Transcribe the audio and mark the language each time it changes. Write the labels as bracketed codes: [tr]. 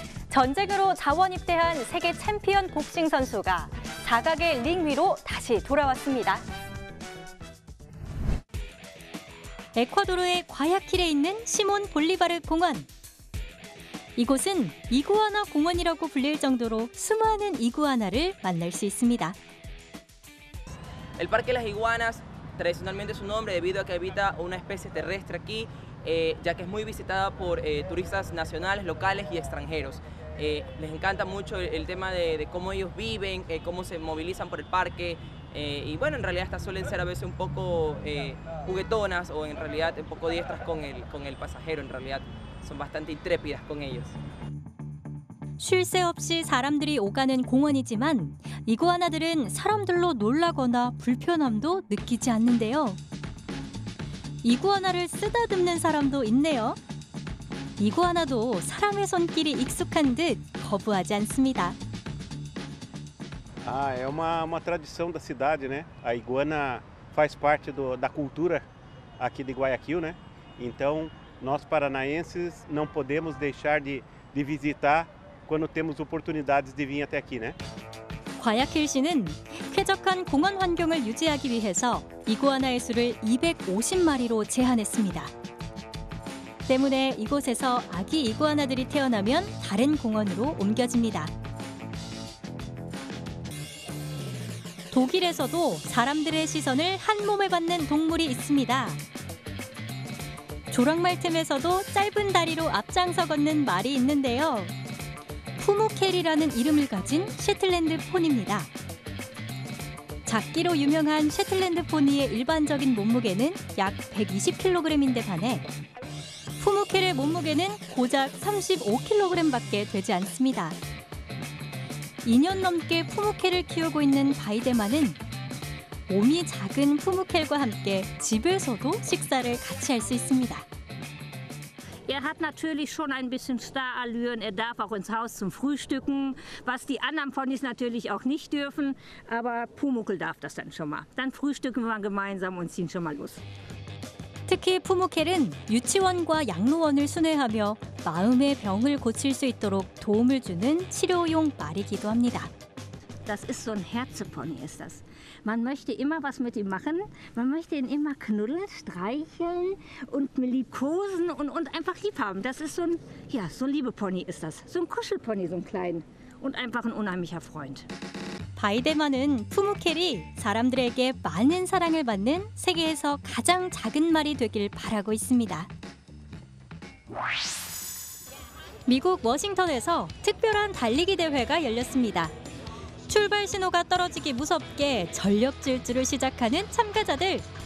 [ko] 전쟁으로 자원 입대한 세계 챔피언 복싱 선수가 사각의 링 위로 다시 돌아왔습니다. 에콰도르의 과야킬에 있는 시몬 볼리바르 공원. 이곳은 이구아나 공원이라고 불릴 정도로 수많은 이구아나를 만날 수 있습니다. [es] El parque de las iguanas tradicionalmente su nombre debido a que habita una especie terrestre aquí, ya que es muy visitada por turistas nacionales, locales y extranjeros. Les encanta mucho el tema de cómo ellos viven, cómo se movilizan por el parque. Y bueno, en realidad estas suelen ser a veces un poco juguetonas o en realidad un poco diestras con el pasajero. En realidad son bastante intrépidas con ellos. [ko] 쉴 새 없이 사람들이 오가는 공원이지만 이구아나들은 사람들로 놀라거나 불편함도 느끼지 않는데요. 이구아나를 쓰다듬는 사람도 있네요. 이구아나도 사람의 손길이 익숙한 듯 거부하지 않습니다. [pt] Ah, é uma tradição da cidade, né? A iguana faz parte da cultura aqui de Guayaquil, né? Então, nós paranaenses não podemos deixar de visitar quando temos oportunidades de vir até aqui, né? [ko] 과야킬시는 쾌적한 공원 환경을 유지하기 위해서 이구아나의 수를 250마리로 제한했습니다. 때문에 이곳에서 아기 이구아나들이 태어나면 다른 공원으로 옮겨집니다. 독일에서도 사람들의 시선을 한 몸에 받는 동물이 있습니다. 조랑말 틈에서도 짧은 다리로 앞장서 걷는 말이 있는데요. 푸무케리라는 이름을 가진 셰틀랜드 폰입니다. 작기로 유명한 셰틀랜드 포니의 일반적인 몸무게는 약 120kg인데 반해 푸무케리의 몸무게는 고작 35kg밖에 되지 않습니다. 2년 넘게 푸무케를 키우고 있는 바이데마는 몸이 작은 푸무케과 함께 집에서도 식사를 같이 할 수 있습니다. [de] Er hat natürlich schon ein bisschen Starallüren. Er darf auch ins Haus zum Frühstücken, was die anderen Ponys natürlich auch nicht dürfen. Aber Pumukel darf das dann schon mal. Dann frühstücken wir gemeinsam und ziehen schon mal los. [ko] 특히 푸무켈은 유치원과 양로원을 순회하며 마음의 병을 고칠 수 있도록 도움을 주는 치료용 말이기도 합니다. [de] Das ist so ein Herzpony ist das. Man möchte immer was mit ihm machen. Man möchte ihn immer knuddeln, streicheln und liebkosen und einfach lieb haben. Das ist so ein Liebepony ist das. So ein Kuschelpony, so ein klein und einfach ein unheimlicher Freund. [ko] 바이데마는 푸무켈이 사람들에게 많은 사랑을 받는 세계에서 가장 작은 말이 되길 바라고 있습니다. 미국 워싱턴에서 특별한 달리기 대회가 열렸습니다. 출발 신호가 떨어지기 무섭게 전력 질주를 시작하는 참가자들.